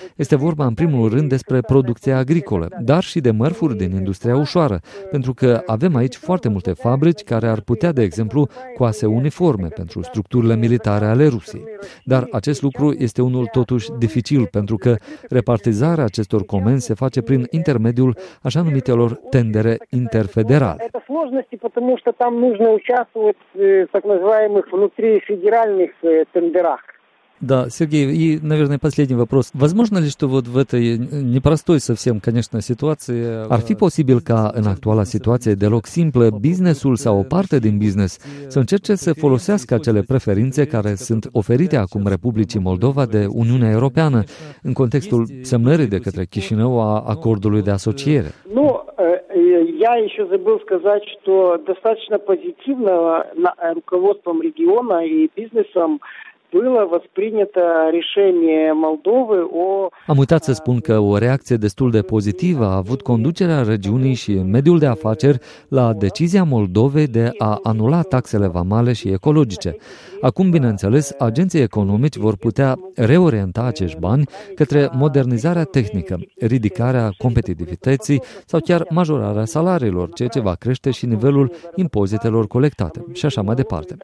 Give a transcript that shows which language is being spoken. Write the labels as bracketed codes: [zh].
[ro] Este vorba în primul rând despre producția agricolă, dar și de mărfuri din industria ușoară, pentru că avem aici foarte multe fabrici care ar putea, de exemplu, coase uniforme pentru structurile militare ale Rusiei. Dar acest lucru este unul totuși dificil, pentru că repartizarea acestor comenzi se face prin intermediul așa numitelor tendere interfederale. [ru] Это сложности, потому что там нужно участвовать в так называемых внутрифедеральных тендерах. Да, Сергей, и, наверное, последний вопрос. Возможно ли, что вот в этой непростой совсем, конечно, ситуации... [ro] Ar fi posibil ca în actuala situație deloc simplă businessul sau o parte din business să încerce să folosească acele preferințe care sunt oferite acum Republicii Moldova de Uniunea Europeană în contextul semnării de către Chișinău a acordului de asociere? [ru] Nu, я еще забыл сказать, что достаточно позитивно руководством региона и бизнесом было воспринято решение Молдовы о... [ro] Am uitat să spun că o reacție destul de pozitivă a avut conducerea regiunii și mediul de afaceri la decizia Moldovei de a anula taxele vamale și ecologice. Acum, bineînțeles, agenții economici vor putea reorienta acești bani către modernizarea tehnică, ridicarea competitivității sau chiar majorarea salariilor, ceea ce va crește și nivelul impozitelor colectate și așa mai departe.